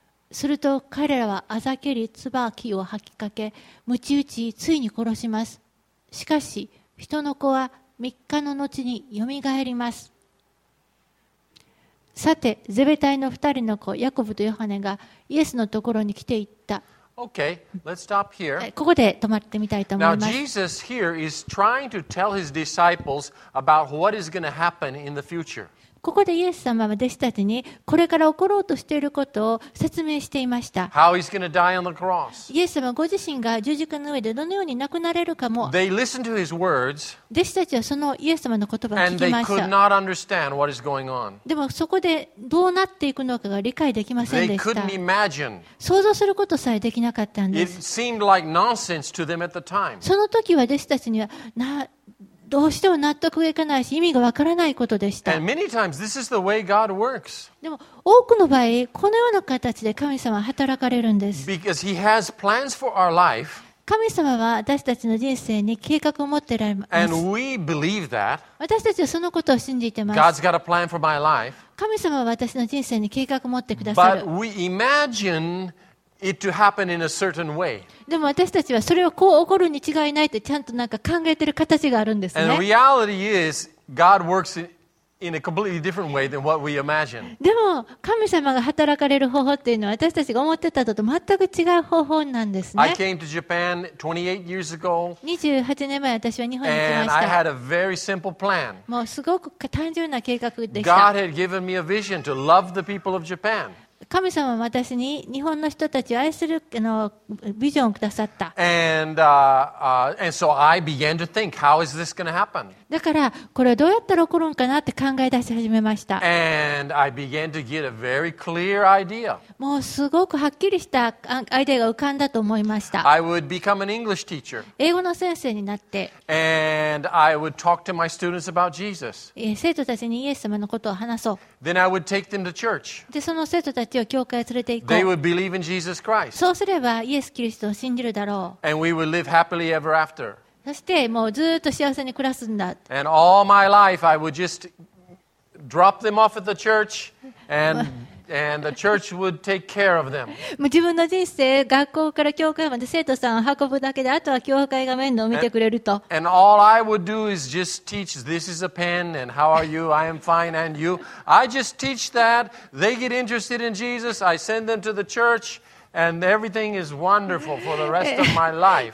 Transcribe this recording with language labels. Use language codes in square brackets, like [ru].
[ja] すると彼らはあざけり唾を吐きかけ、鞭打ちついに殺します。しかし人の子は三日の後によみがえります。さてゼベタイの二人の子ヤコブとヨハネがイエスのところに来ていった。 [en] Okay, let's stop here. [ja] ここで止まってみたいと思います。 [en] Now Jesus here is trying to tell his disciples about what is going to happen in the future. [ja] ここでイエス様は弟子たちにこれから起ころうとしていることを説明していました。 [en] How he's going to die on the cross. [ja] イエス様ご自身が十字架の上でどのように亡くなれるかも、 [en] They listened to his words, [ja] 弟子たちはそのイエス様の言葉を聞きました。 [en] And they could not understand what is going on. [ja] でもそこでどうなっていくのかが理解できませんでした。 [en] They couldn't imagine. [ja] 想像することさえできなかったんです。 [en] It seemed like nonsense to them at the time. [ja] その時は弟子たちにはどうしても納得がいかないし、意味がわからないことでした。 [en] And many times, this is the way God works. [ja] でも多くの場合、このような形で神様は働かれるんです。 [en] Because he has plans for our life. [ja] 神様は私たちの人生に計画を持っておられます。 [en] And we believe that. [ja] 私たちはそのことを信じています。 [en] God's got a plan for my life. [ja] 神様は私の人生に計画を持ってくださる。 [en] But we imagine it to happen in a certain way. [ja] でも私たちはそれをこう起こるに違いないってちゃんとなんか考えてる形があるんですね。 [en] And the reality is, God works in a completely different way than what we imagine. [ja] でも神様が働かれる方法っていうのは私たちが思ってたのと全く違う方法なんですね。 [en] I came to Japan 28 years ago. [ja] 28年前私は日本に来ました。 [en] And I had a very simple plan. [ja] もうすごく単純な計画でした。 [en] God had given me a vision to love the people of Japan. [ja] 神様は私に日本の人たちを愛するのビジョンをくださった。 [en] And so I began to think, how is this going to happen? [ja] だからこれはどうやったら起こるのかなって考え出し始めました。 [en] And I began to get a very clear idea. [ja] もうすごくはっきりしたアイデアが浮かんだと思いました。 [en] I would become an English teacher. [ja] 英語の先生になって。 [en] And I would talk to my students about Jesus. [ja] 生徒たちにイエス様のことを話そう。 [en] Then I would take them to church. [ja] でその生徒たちを教会へ連れて行こう。 [en] They would believe in Jesus Christ. [ja] そうすればイエス・キリストを信じるだろう。 [en] And we would live happily ever after. [ja] そしてもうずっと幸せに暮らすんだ。 [en] And all my life I would just drop them off at the church and and the church would take care of them. [ja] もう自分の人生、学校から教会まで生徒さんを運ぶだけで、あとは教会が面倒を見てくれると。 [en] And all I would do is just teach, this is a pen, and how are you? I am fine, and you? I just teach that. They get interested in Jesus. I send them to the church. And everything is wonderful for the rest of my life.